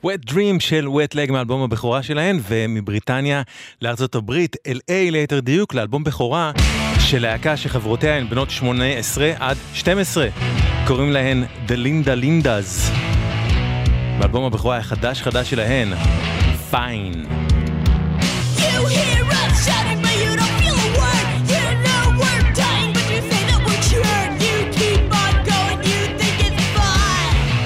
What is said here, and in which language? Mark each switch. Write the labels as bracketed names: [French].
[Hebrew] Dream של Wet Leg מאלבום הבכורה שלהן, ומבריטניה לארצות הברית, LA ליתר דיוק, לאלבום בכורה של להקה שחברותיה הן בנות 18 עד 12. קוראים להן The Linda Lindas. באלבום הבכורה החדש חדש שלהן, Fine. [English] You hear us shouting but you don't feel a word. You know we're dying but you say that we're cured. You keep on going, you think it's fine.